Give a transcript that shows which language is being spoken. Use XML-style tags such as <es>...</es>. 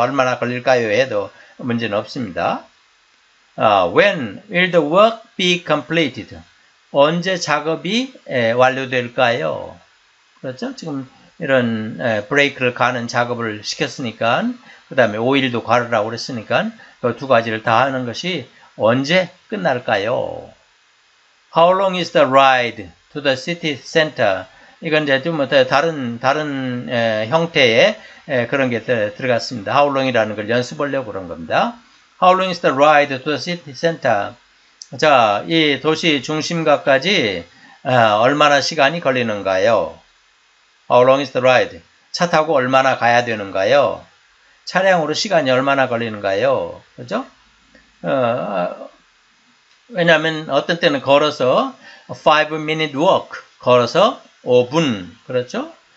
<ko>얼마나 걸릴까요? 해도 문제는 없습니다.</ko> <en>When will the work be completed?</en> <ko>언제 작업이 완료될까요? 그렇죠? 지금 이런 브레이크를 가는 작업을 시켰으니까, 그 다음에 오일도 가르라고 그랬으니까, 그두 가지를 다 하는 것이 언제 끝날까요?</ko> <en>How long is the ride to the city center?</en> <ko>이건 이제 좀 다른 형태의 그런 게 들어갔습니다. How long이라는 걸 연습하려고 그런 겁니다.</ko> <en>How long is the ride to the city center?</en> <ko>자, 이 도시 중심가까지 얼마나 시간이 걸리는가요?</ko> <en>How long is the ride?</en> <ko>차 타고 얼마나 가야 되는가요? 차량으로 시간이 얼마나 걸리는가요? 그죠? 왜냐하면 어떤 때는 걸어서</ko> <en>5 minute walk,</en> <ko>걸어서 5분, 그렇죠?</ko>